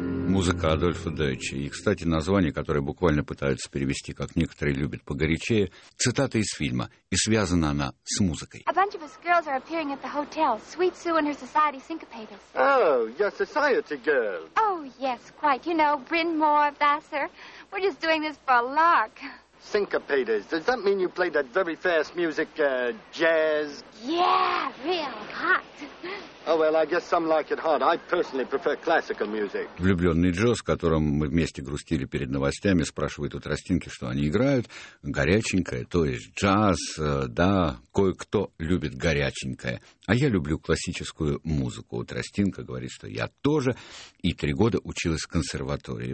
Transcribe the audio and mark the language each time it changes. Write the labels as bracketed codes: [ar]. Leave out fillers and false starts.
[ru] музыка Адольфа Дойча. И, кстати, название, которое буквально пытаются перевести, как некоторые любят погорячее, цитата из фильма, и связана она с музыкой. [en] A bunch of us girls are appearing at the hotel. Sweet Sue and her society syncopators. Oh, your society girl. Oh, yes, quite. You know, Bryn Mawr, Vassar. We're just doing this for a lark. Syncopators. Does that mean you play that very fast music, jazz? Yeah, real hot. Oh, well, I guess some like it hot. I personally prefer classical music. [ru] Влюбленный Джо, с которым мы вместе грустили перед новостями, спрашивает у Тростинки, что они играют. Горяченькое, то есть джаз, да, кое-кто любит горяченькое. А я люблю классическую музыку. Тростинка говорит, что я тоже и 3 года училась в консерватории.